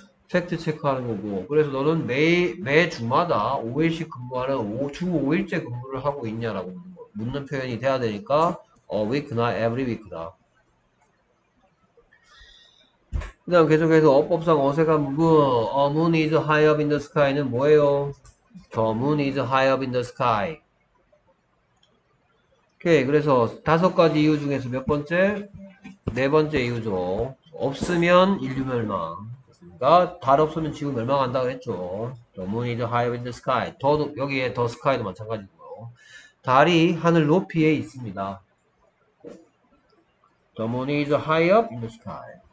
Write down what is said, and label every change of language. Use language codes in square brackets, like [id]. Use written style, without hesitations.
[ko] 팩트 체크하는 거고. 그래서 너는 매 주마다 5일씩 근무하는 주 5일째 근무를 하고 있냐라고 묻는 표현이 돼야 되니까 a week나 every week다. 그 다음 계속해서 어법상 어색한 부분. [en] A moon is high up in the sky [ko] 는 뭐예요? [en] The moon is high up in the sky. [ko] 오케이. 그래서 다섯 가지 이유 중에서 몇 번째? 네 번째 이유죠. 없으면 인류 멸망. 달 없으면 지구 멸망한다 그랬죠. [en] The moon is high in the sky. [ko] 여기에 the sky도 마찬가지고요. 달이 하늘 높이에 있습니다. [en] The moon is high up in the sky.